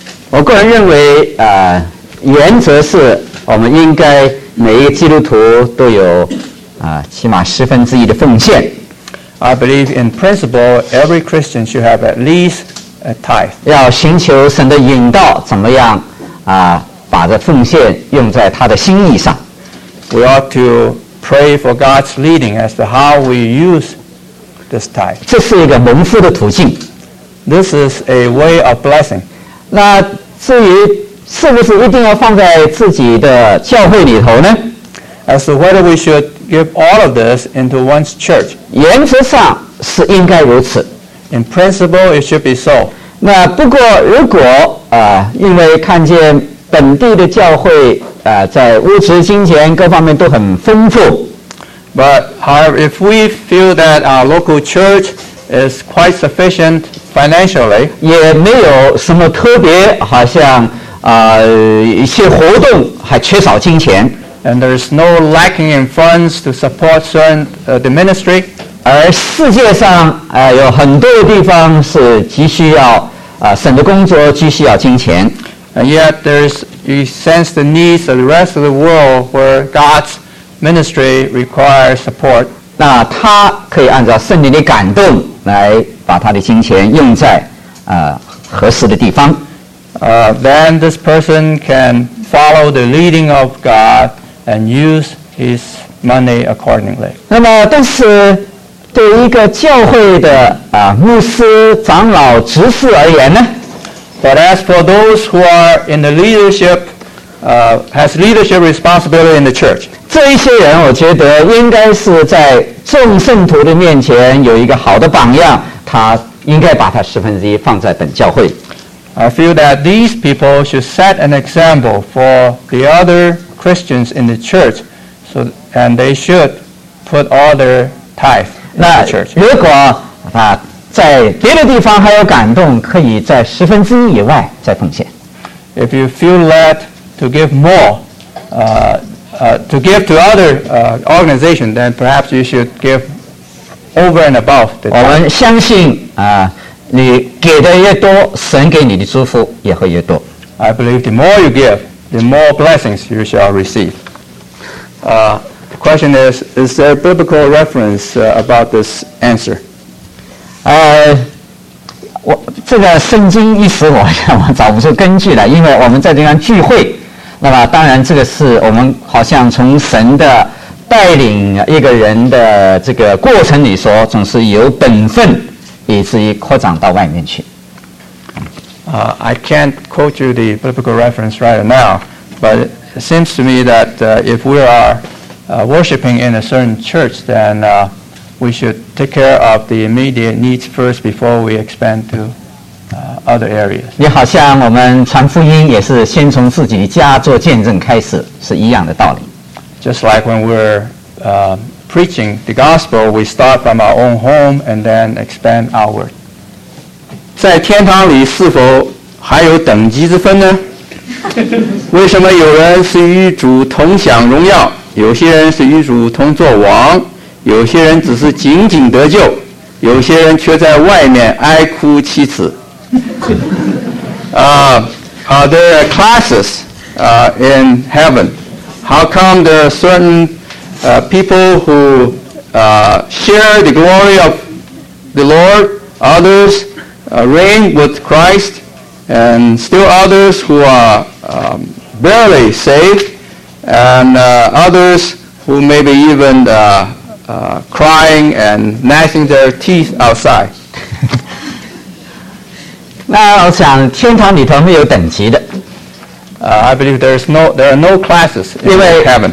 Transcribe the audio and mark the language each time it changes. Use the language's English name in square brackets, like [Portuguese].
[Chinese] 我个人认为，原则是我们应该每一个基督徒都有起码十分之一的奉献。 [English] I believe in principle every Christian should have at least a tithe. [Chinese] 要寻求神的引导，怎么样把这奉献用在他的心意上。 [English] We ought to pray for God's leading as to how we use this tithe. [Chinese] 这是一个蒙福的途径。 [English] This is a way of blessing. [Chinese] 那至于是不是一定要放在自己的教会里头呢？ [English] As to whether we should give all of this into one's church. [Chinese] 原则上是应该如此。 [English] In principle, it should be so. [Chinese] 那不过如果因为看见本地的教会在物质金钱各方面都很丰富。 [English] But however, if we feel that our local church is quite sufficient financially, [Chinese] 也没有什么特别好像一些活动还缺少金钱。 [English] And there is no lacking in funds to support certain, the ministry. [Chinese] 而世界上有很多地方是急需要神的工作急需要金钱。 [English] And yet there's, you sense the needs of the rest of the world where God's ministry requires support. [Chinese] 那他可以按照圣灵的感动来把他的金钱用在合适的地方。 [English] Then this person can follow the leading of God and use his money accordingly. [Chinese] 那么但是对于一个教会的牧师长老执事而言呢？ [English] But as for those who are in the leadership, has leadership responsibility in the church. [Chinese] 这一些人我觉得应该是在众圣徒的面前有一个好的榜样，他应该把他十分之一放在本教会。 [English] I feel that these people should set an example for the other Christians in the church, so, and they should put all their tithe in the church. [Chinese] 如果他在别的地方还有感动，可以在十分之一以外再奉献。 [English] If you feel led to give more, to give to other organization, then perhaps you should give over and above the tithe. [Chinese] 我们相信你给的越多，神给你的祝福也会越多。 [English] I believe the more you give, the more blessings you shall receive. The question is there a biblical reference about this answer? [Chinese] 我这个圣经一时我找不出根据来，因为我们在这样聚会，那么当然这个是我们好像从神的带领一个人的这个过程里说，总是有本分。以至于扩展到外面去。 [English] I can't quote you the biblical reference right now, but it seems to me that if we are worshiping in a certain church, then we should take care of the immediate needs first before we expand to other areas. [Chinese] 你好像我们传福音也是先从自己家做见证开始，是一样的道理。 [English] Just like when we're preaching the gospel, we start from our own home and then expand outward. [Chinese] 在天堂里是否还有等级之分呢？为什么有人是与主同享荣耀，有些人是与主同作王，有些人只是仅仅得救，有些人却在外面哀哭泣齿？ [English] Are there classes in heaven? How come the certain people who share the glory of the Lord, others reign with Christ, and still others who are barely saved, and others who maybe even crying and gnashing their teeth outside. [Chinese] 那我想天堂里头没有等级的。 [English] I believe there are no classes in heaven.